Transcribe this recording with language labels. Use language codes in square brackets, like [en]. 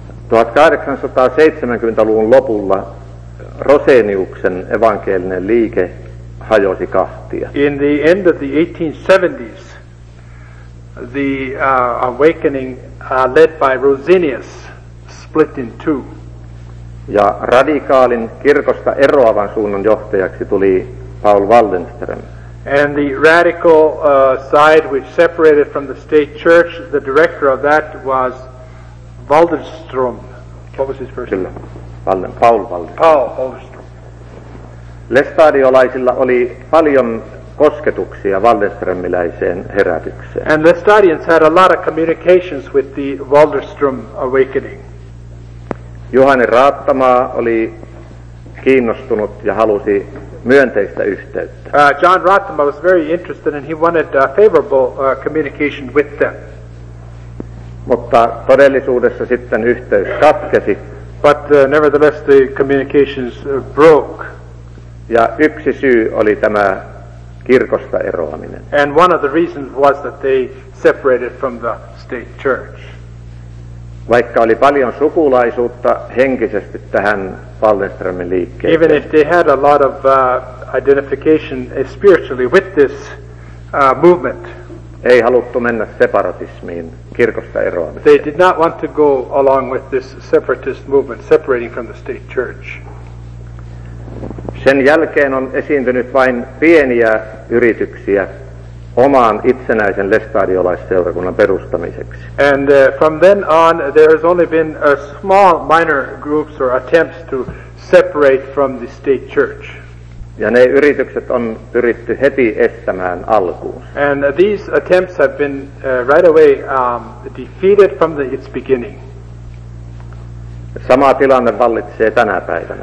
[fi] 1870-luvun lopulla Roseniuksen evankelinen liike hajosi kahtia. [en] In the end of the 1870s, the awakening led by Rosenius split in two. [fi] Ja radikaalin kirkosta eroavan suunnan johtajaksi tuli Paul Wallenström. [en] And the radical side which separated from the state church, the director of that was Wallenström. What was his first name? Paul Wallenström. [fi] Lestadiolaisilla oli paljon kosketuksia Wallenströmiläiseen herätykseen. [en] And the Lestadians had a lot of communications with the Wallenström awakening. [fi] Juhani Raattamaa oli kiinnostunut ja halusi myönteistä yhteyttä. [en] John Raattamaa was very interested and he wanted a favorable communication with them. [fi] Mutta todellisuudessa sitten yhteys katkesi. [en] But nevertheless the communications broke. [fi] Ja yksi syy oli tämä kirkosta eroaminen. [en] And one of the reasons was that they separated from the state church. [fi] Vaikka oli paljon sukulaisuutta henkisesti tähän Wallenströmin liikkeeseen. [en] Even if they had a lot of identification spiritually with this movement. [fi] Ei haluttu mennä separatismiin, kirkosta eroamiseen. [en] They did not want to go along with this separatist movement, separating from the state church. [fi] Sen jälkeen on esiintynyt vain pieniä yrityksiä oman itsenäisen lestadiolaisseurakunnan perustamiseksi. [en] And from then on there has only been a small minor groups or attempts to separate from the state church. [fi] Ja ne yritykset on pyritty heti estämään alkuun. [en] And these attempts have been right away defeated from its beginning. [fi] Sama tilanne vallitsee tänä päivänä.